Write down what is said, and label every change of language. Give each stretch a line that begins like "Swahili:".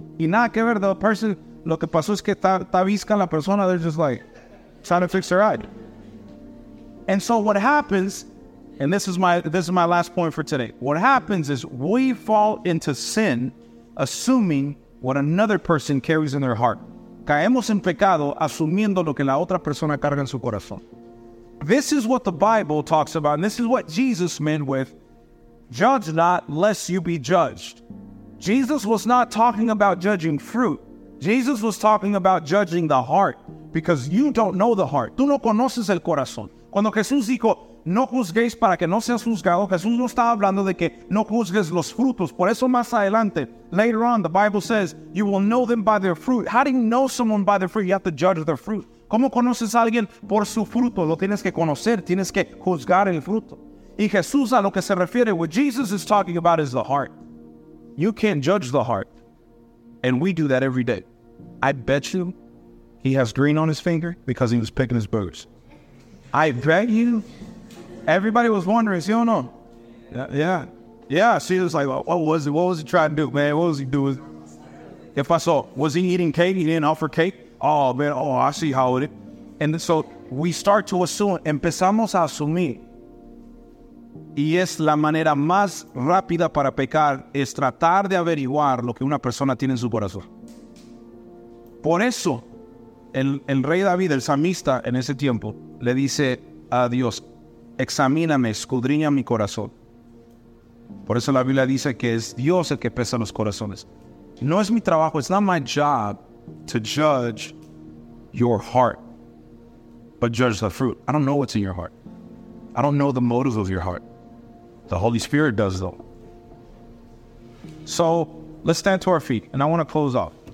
Spanish: Y nada que ver,
English: the person,
Spanish: lo que pasó es que está visca la persona.
English: They're just like trying to fix their ride. And so what happens, and this is my last point for today. What happens is we fall into sin assuming what another person carries in their heart.
Spanish: Caemos en pecado asumiendo lo que la otra persona carga en su corazón.
English: This is what the Bible talks about, and this is what Jesus meant with, judge not, lest you be judged. Jesus was not talking about judging fruit. Jesus was talking about judging the heart, because you don't know the heart.
Spanish: Tú no conoces el corazón. Cuando Jesús dijo, no juzguéis para que no seas juzgado, Jesús no estaba hablando de que no juzgues los frutos. Por eso más adelante,
English: later on, the Bible says, you will know them by their fruit. How do you know someone by their fruit? You have to judge their fruit.
Spanish: ¿Cómo conoces a alguien por su fruto? Lo tienes que conocer, tienes que juzgar el fruto. Y Jesús a lo que se refiere,
English: what Jesus is talking about is the heart. You can't judge the heart. And we do that every day. I bet you he has green on his finger because he was picking his boogers. I bet you, everybody was wondering,
Spanish: ¿sí o no?
English: Yeah. She was like, well, what was it? What was he trying to do, man? What was he doing? If I saw, was he eating cake? He didn't offer cake? Oh, man, oh, I see how it is. And so we start to assume,
Spanish: empezamos a asumir. Y es la manera más rápida para pecar, es tratar de averiguar lo que una persona tiene en su corazón. Por eso, el rey David, el salmista en ese tiempo, le dice a Dios, examíname, escudriña mi corazón. Por eso la Biblia dice que es Dios el que pesa los corazones. No es mi trabajo,
English: it's not my job to judge your heart, but judge the fruit. I don't know what's in your heart. I don't know the motives of your heart. The Holy Spirit does, though. So, let's stand to our feet, and I want to close off.